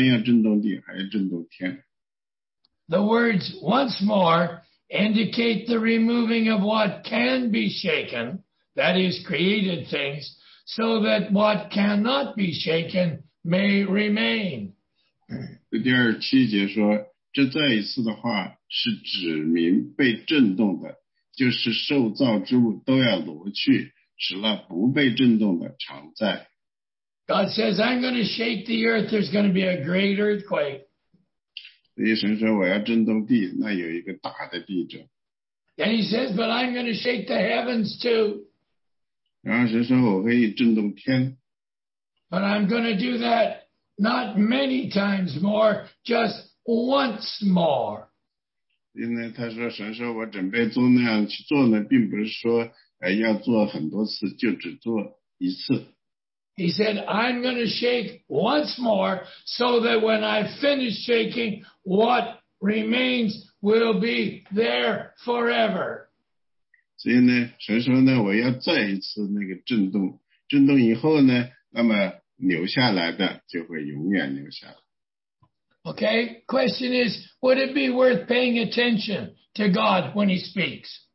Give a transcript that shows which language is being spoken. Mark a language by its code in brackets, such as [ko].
[zh] 第二十六节说，当时他的声音震动了地，但如今他应许说，再一次，我不单要震动地，还要震动天。 [en] The words once more indicate the removing of what can be shaken, that is, created things, so that what cannot be shaken may remain. [zh] 第二十七节说，这再一次的话是指明被震动的，就是受造之物都要挪去。 [en] God says, I'm going to shake the earth. There's going to be a great earthquake. [zh] 神说我要震动地，那有一个大的地震。 [en] Then he says, but I'm going to shake the heavens too. [zh] 然后神说我可以震动天。 [en] But I'm going to do that not many times more, just once more. [zh] 因为他说神说我准备做那样去做呢，并不是说要做很多次，就只做一次。 [en] He said, I'm going to shake once more so that when I finish shaking, what remains will be there forever. [zh] 所以呢，神说呢，我要再一次那个震动，震动以后呢，那么留下来的就会永远留下来。 [en] Okay, question is, would it be worth paying attention to God when he speaks?